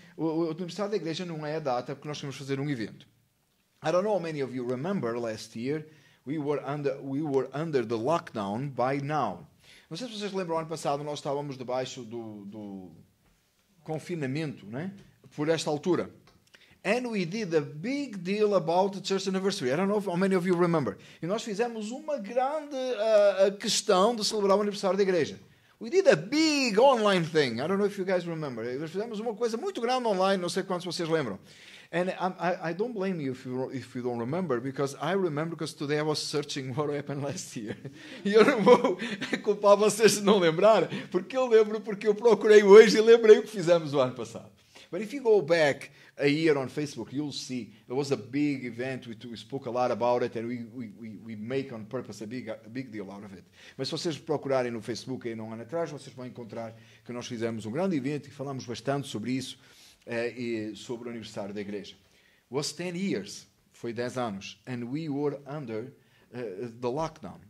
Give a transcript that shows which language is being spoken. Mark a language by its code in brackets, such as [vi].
[pt] O aniversário da igreja não é a data porque nós queremos fazer um evento. [en] I don't know how many of you remember last year. We were under the lockdown by now. [pt] Não sei se vocês lembram, ano passado nós estávamos debaixo do confinamento, né? Por esta altura. [en] And we did a big deal about the church anniversary. I don't know how many of you remember. [pt] E nós fizemos uma grande questão de celebrar o aniversário da igreja. [en] We did a big online thing. I don't know if you guys remember. [pt] Nós fizemos uma coisa muito grande online, não sei quantos vocês lembram. [en] And I don't blame you if you don't remember, because I remember, because today I was searching what happened last year. [pt] E eu não vou culpar vocês de não lembrar, porque eu lembro, porque eu procurei hoje e lembrei o que fizemos o ano passado. [en] But if you go back a year on Facebook, you'll see it was a big event. We spoke a lot about it, and we make on purpose a big deal out of it. [pt] Mas se vocês procurarem no Facebook aí um ano atrás, vocês vão encontrar que nós fizemos um grande evento e falamos bastante sobre isso. E sobre o aniversário da igreja. [en] Was 10 years, [pt] foi 10 anos, [en] and we were under the lockdown.